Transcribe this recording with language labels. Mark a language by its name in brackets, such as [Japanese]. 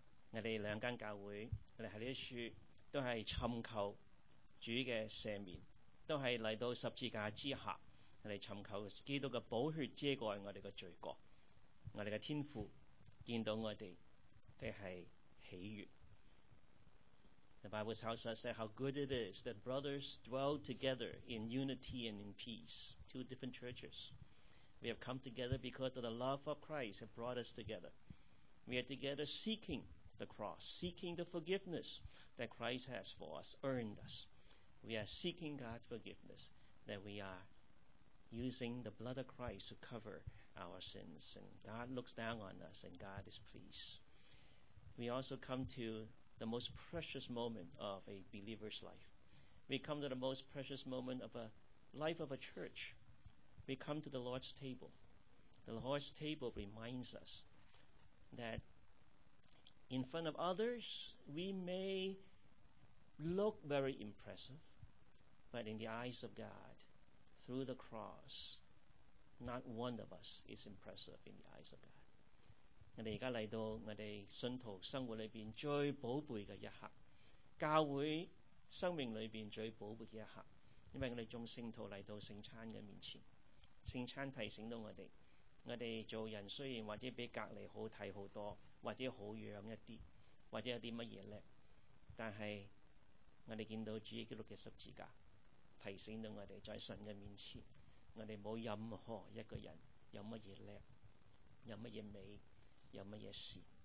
[Chinese] 我们两间教会，我们在这处都是寻求主的赦免，都是来到十字架之下，我们寻求基督的宝血遮盖我们的罪过。我们的天父见到我们都是喜悦。 [English] The Bible tells us that how good it is that brothers dwell together in unity and in peace. Two different churches. We have come together because of the love of Christ that brought us together. We are together seeking the cross, seeking the forgiveness that Christ has for us, earned us. We are seeking God's forgiveness, that we are using the blood of Christ to cover our sins. And God looks down on us and God is pleased. We also come to the most precious moment of a believer's life. We come to the most precious moment of a life of a church. We come to the Lord's table. The Lord's table reminds us that in front of others, we may look very impressive, but in the eyes of God, through the cross, not one of us is impressive in the eyes of God. [Chinese] 我们现在来到我们信徒生活里面最宝贝的一刻，教会生命里面最宝贝的一刻，因为我们众圣徒来到圣餐的面前。圣餐提醒到我们，我们做人虽然或者比隔离好看很多，或者好样一点，或者有点什么厉害，但是我们见到主耶稣的十字架，提醒到我们在神的面前，我们没有任何一个人有什么厉害，有什么美，有乜嘢事？